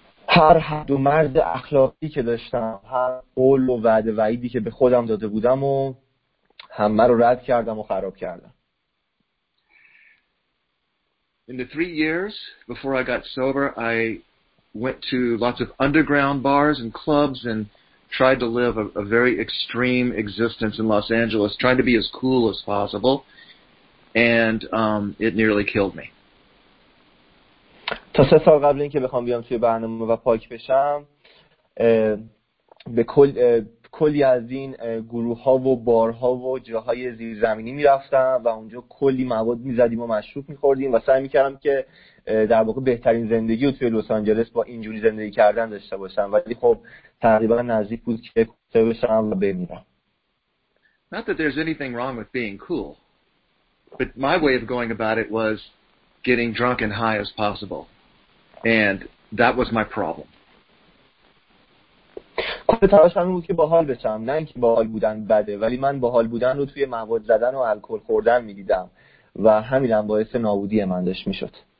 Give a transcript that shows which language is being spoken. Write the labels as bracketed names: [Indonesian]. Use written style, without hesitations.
[Persian] هر حد و مرز اخلاقی که داشتم، هر قول و وعده وعیدی که به خودم داده بودم و همه رو رد کردم و خراب کردم. [English] In the 3 years before I got sober, I went to lots of underground bars and clubs and tried to live a very extreme existence in Los Angeles, trying to be as cool as possible, and it nearly killed me. [Persian] تا 3 سال قبل اینکه بخوام بیام توی برنامه و پاک بشم به کلی از این گروه ها و بارها و جاهای زیرزمینی میرفتم و اونجا کلی مواد میزدیم و مشروب میخوردیم و سعی میکردم که در واقع بهترین زندگی رو توی لس آنجلس با اینجوری زندگی کردن داشته باشم، ولی خب تقریبا نزدیک بود که کشته بشم و بمیرم. [English] Not that there's anything wrong with being cool, but my way of going about it was getting drunk and high as possible, and that was my problem. [Persian] کل تلاشم این بود که باحال بشم، نه اینکه باحال بودن بده، ولی من باحال بودن رو توی مواد زدن و الکل خوردن می‌دیدم و همین هم باعث نابودی من داشت می شد.